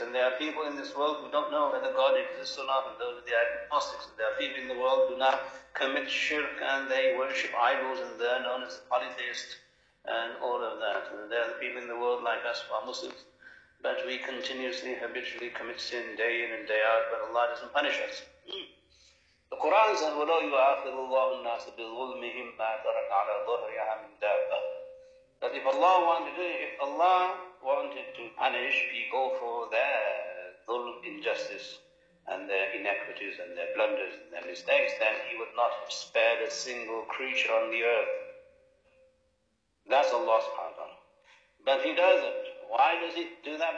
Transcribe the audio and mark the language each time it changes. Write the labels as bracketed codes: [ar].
[en] And there are people in this world who don't know whether God exists or not, and those are the agnostics. And there are people in the world who now commit shirk and they worship idols, and they're known as polytheists and all of that. And there are the people in the world like us who are Muslims But we continuously, habitually commit sin day in and day out, but Allah doesn't punish us. The Quran says, [ar] وَلَا يُعَاخِذُ اللَّهُ النَّاسَ بِالظُّلْمِهِمْ مَا تَرَكَ عَلَى ظُهْرِهَا مِنْ دَابَّةٍ. [en] That if Allah wanted to punish people for their dhulm, injustice, and their inequities, and their blunders, and their mistakes, then He would not have spared a single creature on the earth. That's Allah subhanahu wa ta'ala. But He doesn't. Why does He do that?